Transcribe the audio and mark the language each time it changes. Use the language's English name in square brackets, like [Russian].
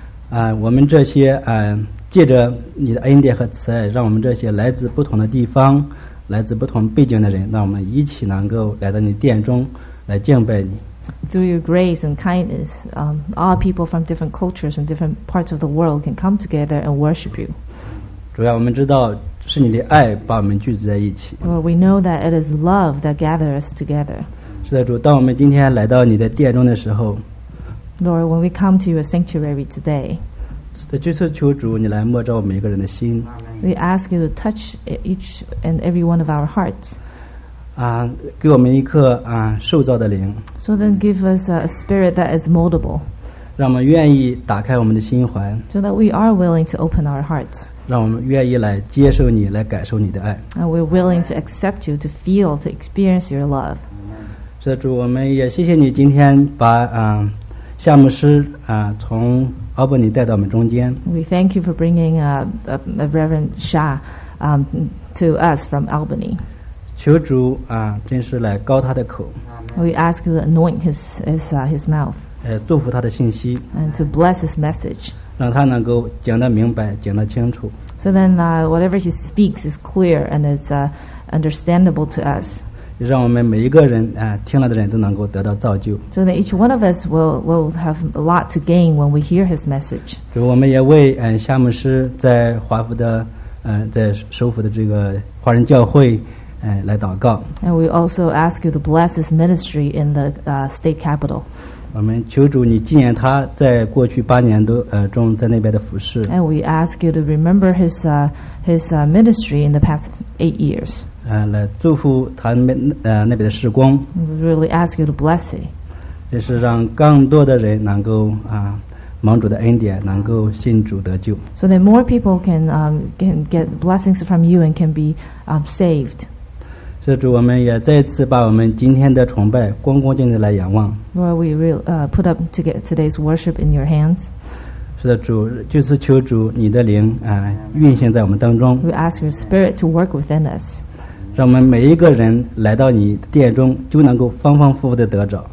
[English] Through your grace and kindness, all people from different cultures and different parts of the world can come together and worship you. [Chinese] 主要我们知道是你的爱把我们聚集在一起。 [English] Well, we know that it is love that gathers us together. [Chinese] 是的，主，当我们今天来到你的殿中的时候。 [English] Lord, when we come to your sanctuary today. [Chinese] 是的，就是求主你来摸着我们每个人的心。 [English] We ask you to touch each and every one of our hearts. [Chinese] 给我们一颗受造的灵。 [English] So then give us a spirit that is moldable. [Chinese] 让我们愿意打开我们的心怀。 [English] So that we are willing to open our hearts. [Chinese] 让我们愿意来接受你，来感受你的爱。 [English] And we're willing to accept you, to feel, to experience your love. [Chinese] 是主，我们也谢谢你今天把夏牧师从阿伯尼带到我们中间。 [English] We thank you for bringing a Reverend Shah to us from Albany. [Chinese] 求主真是来膏他的口。 [English] We ask you to anoint his mouth. [Chinese] 祝福他的信息。 [English] And to bless his message. [Chinese] 让他能够讲得明白，讲得清楚。 [English] So then, whatever he speaks is clear and is understandable to us. [Chinese] 让我们每一个人听了的人都能够得到造就。 [English] So that each one of us will have a lot to gain when we hear his message. [Chinese] 主，我们也为夏牧师在华府的在首府的这个华人教会来祷告。 [English] And we also ask you to bless his ministry in the state capital. [Chinese] 我们求主你纪念他在过去八年都中在那边的服事。 [English] And we ask you to remember his ministry in the past 8 years. [Chinese] 来祝福他那边的时光。 [English] We really ask you to bless it. [Chinese] 也是让更多的人能够蒙主的恩典，能够信主得救。 [English] So that more people can get blessings from you and can be saved. [Chinese] 是主，我们也再次把我们今天的崇拜恭恭敬敬来仰望。 [English] Lord, we really put up to get today's worship in your hands. [Chinese] 是的，主，就是求主你的灵运行在我们当中。 [English] We ask your spirit to work within us. [Chinese] 让我们每一个人来到你殿中就能够方方夫妇的得着。